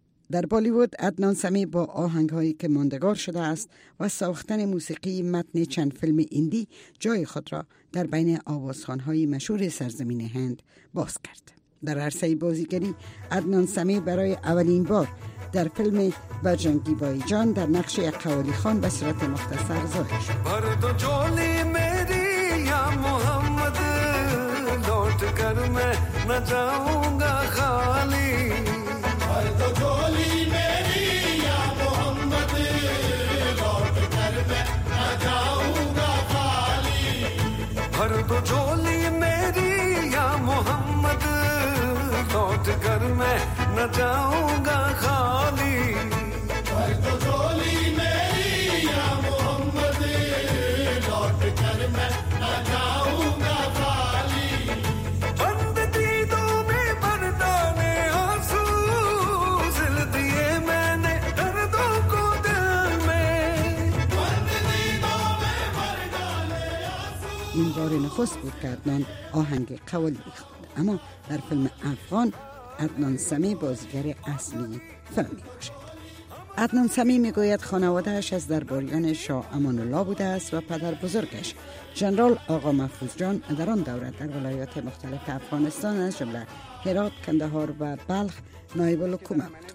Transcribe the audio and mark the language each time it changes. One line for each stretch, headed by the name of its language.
Persian: در بالیوود عدنان سمی با آهنگهایی که ماندگار شده است و ساختن موسیقی متن چند فیلم هندی جای خود را در بین آوازخوان‌های مشهور سرزمین هند باز کرد. در عرصه بازیگری عدنان سمی برای اولین بار در فیلم بجنگی بای جان در نقش قوالی خان به صورت مختصر ظاهر شد.
Urdu: بر تو جولی میری یا محمد لوٹ کر میں نہ جاؤں گا خالی بر تو جولی میری یا محمد لوٹ کر میں نہ جاؤں گا خالی بر تو جولی میری یا محمد لوٹ کر میں نہ جاؤں گا خالی بھر تو جھولی میری یا محمد لوٹ کر میں نہ جاؤں گا خالی بند دیدوں میں بردانے آنسو سل دیے میں نے دردوں کو دل میں بند دیدوں میں بردانے آنسو.
Persian: این بار نخست بود که عدنان آهنگ قوالی بخواند، اما در فیلم افغان عدنان سمی بازیگر اصلی فیلم می باشد. عدنان سمی می گوید خانوادهش از درباریان شاه امان الله بوده است و پدر بزرگش جنرال آقا محفوظ جان در آن دوره در ولایات مختلف افغانستان از جمله هرات، کندهار و بلخ نایب الحکومه بود.